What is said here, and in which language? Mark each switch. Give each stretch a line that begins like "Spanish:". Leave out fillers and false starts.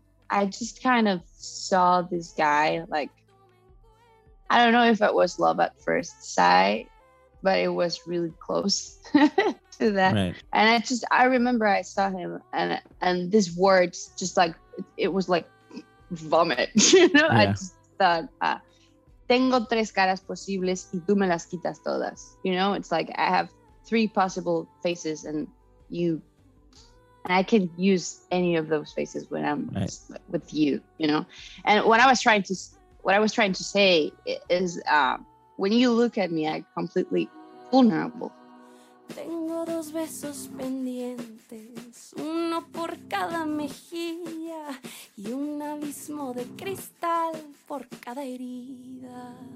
English: I just kind of saw this guy, like, I don't know if it was love at first sight, but it was really close to that. Right. And I remember I saw him and these words just like, it was like vomit, you know? Yeah. I just thought,
Spanish: tengo tres caras posibles y tú me las quitas todas.
English: You know, it's like I have three possible faces and I can use any of those faces when I'm with you, you know? And what I was trying to say is, when you look at me, I'm completely vulnerable.
Spanish: Tengo dos besos pendientes, uno por cada mejilla y un abismo de cristal por cada herida.